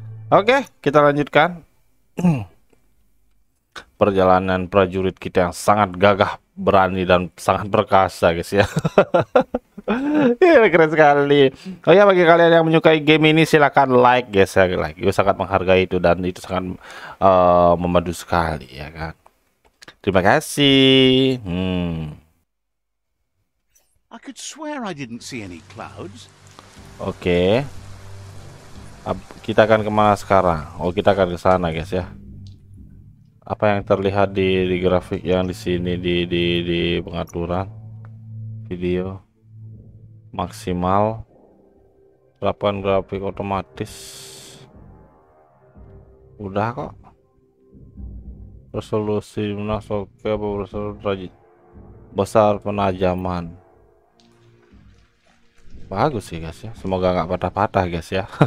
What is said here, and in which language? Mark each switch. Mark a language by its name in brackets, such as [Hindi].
[Indonesian] Oke, kita lanjutkan perjalanan prajurit kita yang sangat gagah, berani dan sangat perkasa guys ya. Keren sekali. Oh ya, bagi kalian yang menyukai game ini silahkan like guys ya, like. Gue sangat menghargai itu dan itu sangat memadu sekali ya kan. Terima kasih. [English] I could swear I didn't see any clouds. [Indonesian] Oke. Kita akan kemana sekarang? Oh, kita akan ke sana guys ya. Apa yang terlihat di grafik yang di sini di pengaturan video maksimal terapkan grafik otomatis udah kok resolusi masuk ke resolusi besar penajaman bagus sih guys ya, semoga nggak patah-patah guys ya.